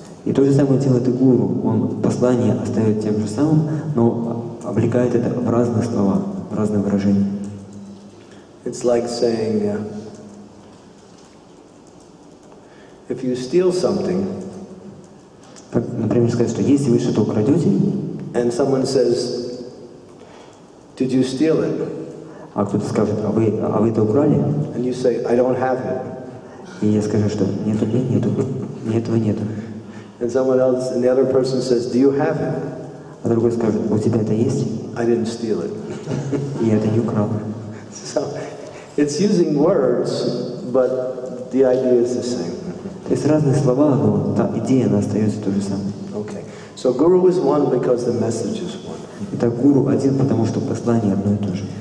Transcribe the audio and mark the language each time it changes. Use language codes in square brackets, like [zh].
[ru] И то же самое делает и Гуру. Он послание оставит тем же самым, но облекает это в разные слова, в разные выражения. [en] It's like saying, if you steal something, [ru] например, сказать, что если вы что-то украдете, [en] and someone says, "Did you steal it?" [ru] А кто-то скажет: а вы это украли? [en] And you say, "I don't have it." [ru] И я скажу, что нету, нет, нету, нет, этого нету. [en] And someone else, and the other person says, "Do you have it?" [ru] А другой скажет: у тебя это есть? [en] I didn't steal it. [ru] И я это не украл. [en] So, it's using words, but the idea is the same. [ru] То есть разные слова, но та идея, она остается той же самой. [en] Okay. So Guru is one because the message is one. [ru] Итак, Гуру один, потому что послание одно и то же.